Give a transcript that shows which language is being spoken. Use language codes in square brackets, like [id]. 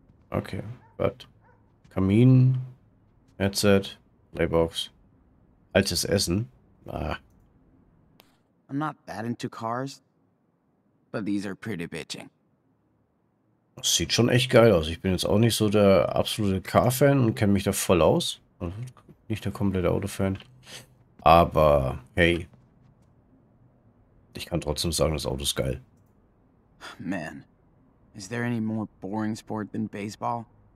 [de] Okay, gut. Kamin. Headset, Playbox, altes Essen. Ah. [en] I'm not that into cars, but these are pretty bitching. [de] Das sieht schon echt geil aus. Ich bin jetzt auch nicht so der absolute Car-Fan und kenne mich da voll aus. Nicht der komplette Auto-Fan. Aber hey, ich kann trotzdem sagen, das Auto ist geil. [en] Man, is there any more boring sport than baseball?